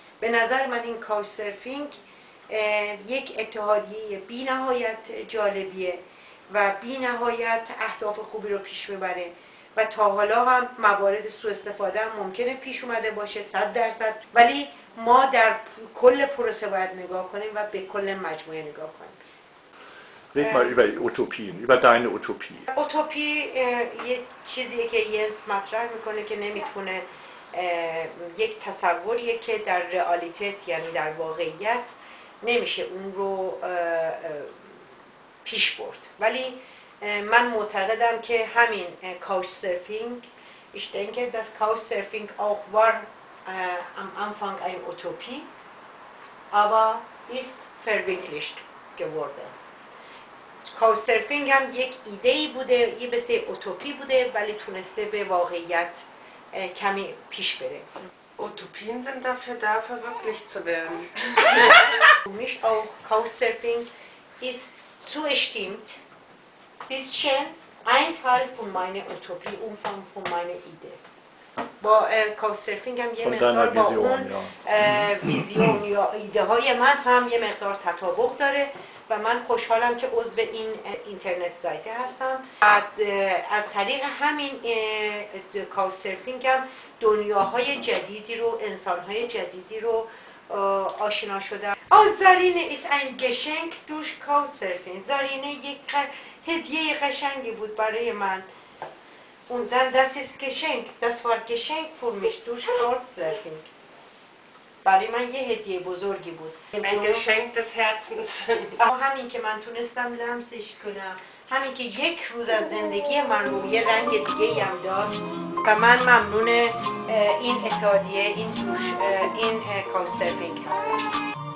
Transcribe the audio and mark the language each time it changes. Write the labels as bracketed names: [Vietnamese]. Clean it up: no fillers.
[Persian] به نظر من این Couchsurfing یک اتحادیه بی نهایت جالبیه و بی نهایت اهداف خوبی رو پیش میبره و تا حالا هم موارد سوء استفاده هم ممکنه پیش اومده باشه 100%، ولی ما در کل پروسه باید نگاه کنیم و به کل مجموعه نگاه کنیم. [German] Red mal über Utopien, über deine Utopie. [Persian] اوتوپی یه چیزیه که ینس مطرح میکنه که نمیتونه یک تصوریه که در رئالیتت یعنی در واقعیت نمیشه اون رو پیش برد، ولی من معتقدم که همین Couchsurfing [German] ich denke das Couchsurfing auch war am Anfang ein Utopie aber ist verwirklicht geworden. [Persian] Couchsurfing هم یک ایده بوده، یه بسته اوتوپی بوده ولی تونسته به واقعیت کمی پیش بره. [German] Utopien sind dafür da verwirklicht zu werden. Für mich auch Couchsurfing ist zugestimmt bisschen ein Teil von meiner Utopie, Umfang von meiner Idee. [Persian] با کاوچسرفینگ هم یه مقدار با اون ویزیون یا ایده های من هم یه مقدار تطابق داره و من خوشحالم که عضو این اینترنت سایت هستم. از طریق همین کاوچسرفینگ هم دنیاهای جدیدی رو، انسانهای جدیدی رو آشنا شدم. [German] زارینه ایس این گشنگ دوش کاوچسرفینگ. [Persian] زارینه یک هدیه قشنگی بود برای من. [German] Und dann, das ist Geschenk, das war Geschenk für mich durch Couchsurfing. [Persian] برای من یه هدیه بزرگی بود. [German] Ein Geschenk des Herzens. [Persian] Auch همین که من تونستم لمسش کنم، همین که یک روز از زندگی من رو یه رنگ دیگه هم داد، و من ممنون این اتحادیه، این Couchsurfing هستم.